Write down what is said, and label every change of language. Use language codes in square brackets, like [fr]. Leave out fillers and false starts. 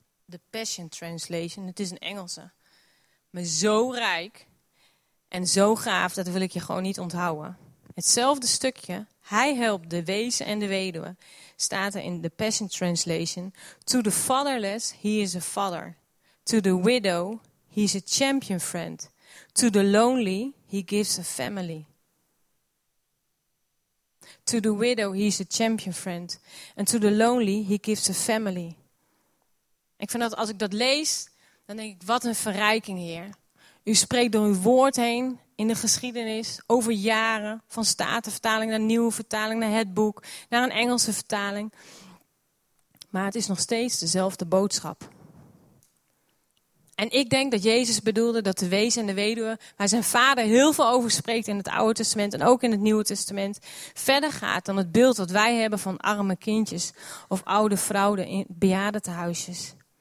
[nl] De Passion Translation, het is een Engelse. Maar zo rijk en zo gaaf, dat wil ik je gewoon niet onthouden. Hetzelfde stukje, hij helpt de wezen en de weduwe, staat er in de Passion Translation. [en] To the fatherless, he is a father. To the widow, he is a champion friend. To the lonely, he gives a family. To the widow, he is a champion friend. And to the lonely, he gives a family. [nl] Ik vind dat als ik dat lees, dan denk ik, wat een verrijking, Heer. U spreekt door uw woord heen in de geschiedenis, over jaren, van Statenvertaling naar Nieuwe Vertaling, naar het boek, naar een Engelse vertaling. Maar het is nog steeds dezelfde boodschap. En ik denk dat Jezus bedoelde dat de wezen en de weduwe, waar zijn vader heel veel over spreekt in het Oude Testament en ook in het Nieuwe Testament, verder gaat dan het beeld dat wij hebben van arme kindjes of oude vrouwen in bejaardentehuisjes.